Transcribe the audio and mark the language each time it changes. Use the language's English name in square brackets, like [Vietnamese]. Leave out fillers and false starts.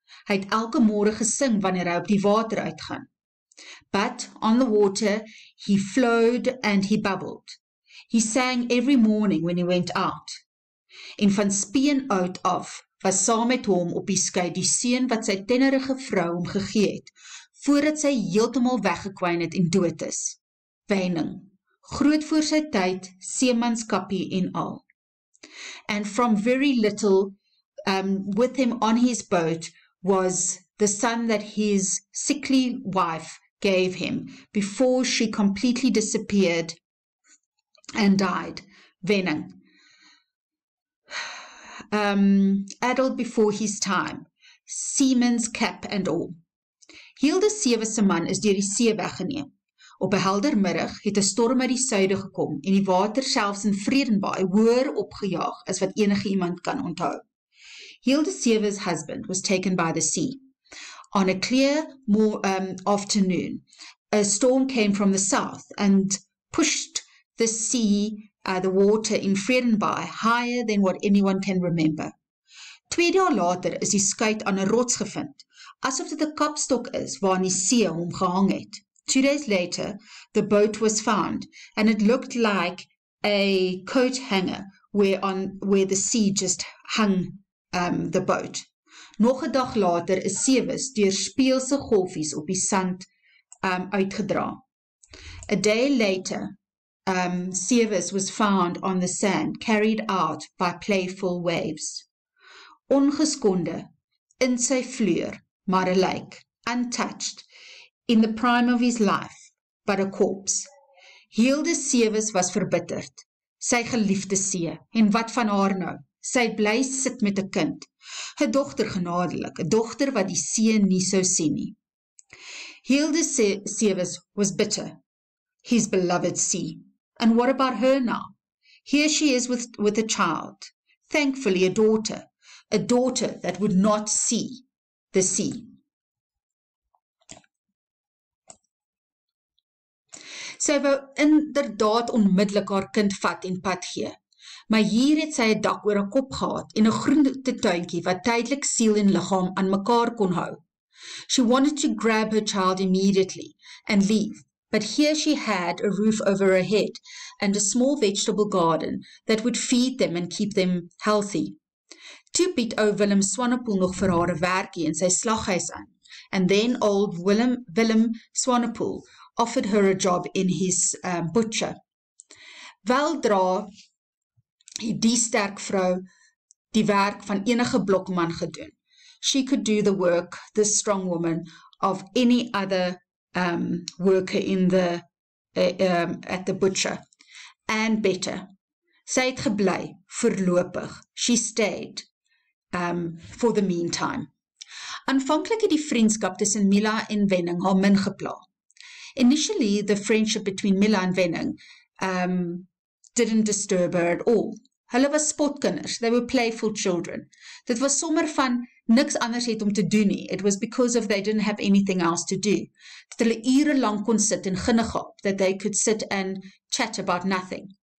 [Afrikaans] Hy het elke môre gesing wanneer hy op die water uitgaan. [English] But on the water, he flowed and he bubbled. He sang every morning when he went out. [Afrikaans] En van Speen uit af was saam met hom op die skei die seun wat sy tennerige vrou hom gegee het, voordat sy heeltemal weggekwyn het en dood is. Wyning, groot voor sy tyd, seemanskappie en al. [English] And from very little, with him on his boat, was the son that his sickly wife gave him before she completely disappeared and died. Wyning, addled before his time, seaman's cap and all. [Afrikaans] Hilde Sewe se man is deur die see weggeneem. Op 'n helder middag het 'n storm uit die suide gekom en die water selfs in Vredenbaai hoër opgejaag as wat enige iemand kan onthou. [English] Hilde Sewe's husband was taken by the sea. On a clear afternoon, a storm came from the south and pushed the sea, the water in Vredenbaai higher than what anyone can remember. [Afrikaans] 2 dae later is die skuit aan 'n rots gevind, asof dit 'n kapstok is waar die see hom gehang het. [English] 2 days later, the boat was found, and it looked like a coat hanger where the sea just hung the boat. [Afrikaans] Nog 'n dag later is Sewes deur speelse golfies op die sand uitgedra. [English] A day later, Sewes was found on the sand, carried out by playful waves. [Afrikaans] Ongeskonde, in sy vleur, maar 'n lijk, [English] untouched, in the prime of his life, but a corpse. [Afrikaans] Hilde Sewes was verbitterd, sy geliefde see, en wat van haar nou? Sy bly sit met 'n kind, 'n dogter genadelik, 'n dogter wat die see nie sou sien nie. [English] Hilde Sewes was bitter, his beloved sea, and what about her now? Here she is with a child, thankfully a daughter that would not see the sea. [Afrikaans] Sy wou inderdaad onmiddellik haar kind vat en pad gee, maar hier het sy 'n dak oor haar kop gehad en 'n groente tuintjie wat tydelik siel en liggaam aan mekaar kon hou. [English] She wanted to grab her child immediately and leave, but here she had a roof over her head and a small vegetable garden that would feed them and keep them healthy. [Afrikaans] Toe bied ou Willem Swanepoel nog vir haar 'n werkie in sy slaghuis aan, [English] and then old Willem Swanepoel offered her a job in his butcher. [Afrikaans] Weldra het die sterk vrou die werk van enige blokman gedoen. [English] She could do the work, the strong woman, of any other worker in the at the butcher, and better. [Afrikaans] Sy het gebly, voorlopig. [English] She stayed for the meantime. [Afrikaans] Aanvanklik het die vriendskap tussen Mila en Wyning haar min gepla. [English] Initially, the friendship between Mila and Wyning didn't disturb her at all. [Afrikaans] Hulle was spotkinders, [English] they were playful children. [Afrikaans] Dit was sommer van niks anders het om te doen nie. [English] It was because of they didn't have anything else to do. [Afrikaans] Dat hulle ure lang kon sit en ginnegap, [English] that they could sit and chat about nothing.